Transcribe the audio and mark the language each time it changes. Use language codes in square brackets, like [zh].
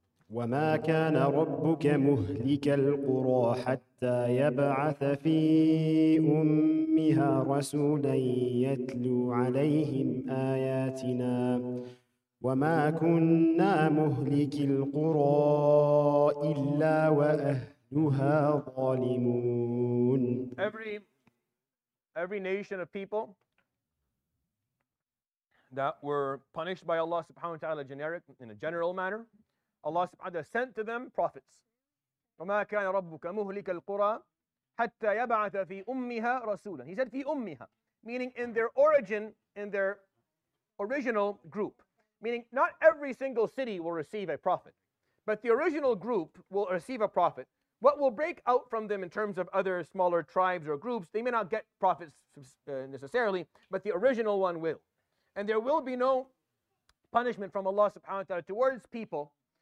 [ar] وَمَا كَانَ رَبُّكَ مُهْلِكَ الْقُرَى حَتَّى يَبْعَثَ فِي أُمِّهَا رَسُولًا يَتْلُو عَلَيْهِمْ آيَاتِنَا وَمَا كُنَّا مُهْلِكِ الْقُرَى إِلَّا وَأَهْلُهَا ظَالِمُونَ [en] Every nation of people that were punished by Allah subhanahu wa ta'ala in a general manner, Allah subhanahu wa ta'ala sent to them prophets. [ar] وَمَا كَانَ رَبُّكَ مُهْلِكَ الْقُرَىٰ حَتَّى يَبْعَثَ فِي أُمِّهَا رَسُولًا [en] He said, [ar] فِي أُمِّهَا, [en] meaning in their origin, in their original group. Meaning not every single city will receive a prophet, but the original group will receive a prophet. What will break out from them in terms of other smaller tribes or groups, they may not get prophets necessarily, but the original one will. And there will be no punishment from Allah subhanahu wa ta'ala towards people.